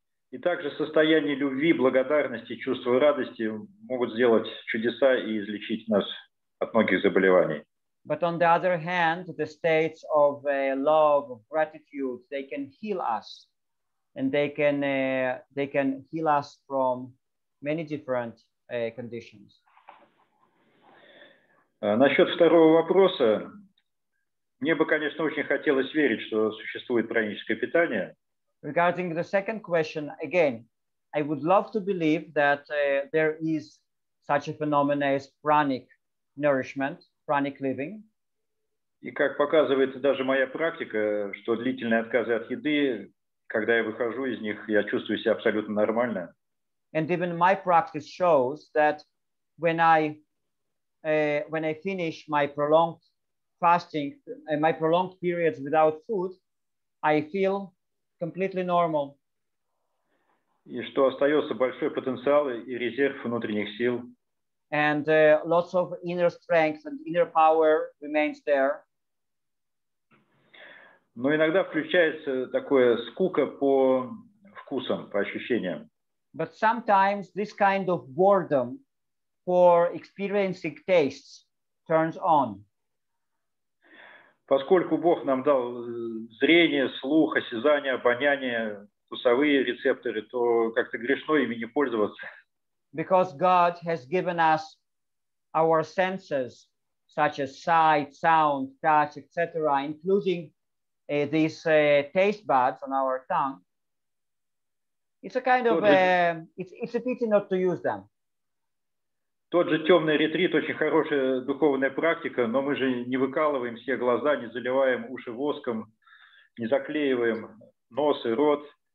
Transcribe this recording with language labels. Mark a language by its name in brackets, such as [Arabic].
[Russian] И также состояние любви, благодарности, чувства радости могут сделать чудеса и излечить нас от многих заболеваний. [English] But on the other hand, the states of love, of gratitude, they can heal us. And they can heal us from many different conditions. [Russian] Насчет второго вопроса, мне бы, конечно, очень хотелось верить, что существует праническое питание. [English] Regarding the second question, again, I would love to believe that there is such a phenomenon as pranic nourishment, pranic living. [Russian] И как показывает даже моя практика, что длительные отказы от еды, когда я выхожу из них, я чувствую себя абсолютно нормально. [English] And even my practice shows that when I finish my prolonged fasting, my prolonged periods without food, I feel completely normal. [Russian] И что остается большой потенциал и резерв внутренних сил. [English] And lots of inner strength and inner power remains there. [Russian] Но иногда включается такое скука по вкусам, по ощущениям. [English] But sometimes this kind of boredom for experiencing tastes turns on. [Russian] Поскольку Бог нам дал зрение, слух, осязание, обоняние, вкусовые рецепторы, то как-то грешно ими не пользоваться. [English] Because God has given us our senses, such as sight, sound, touch, etc., including these taste buds on our tongue, it's a kind of it's a pity not to use them. [Russian] Тот же темный ретрит — очень хорошая духовная практика, но мы же не выкалываем все глаза, не заливаем уши воском, не заклеиваем нос и рот.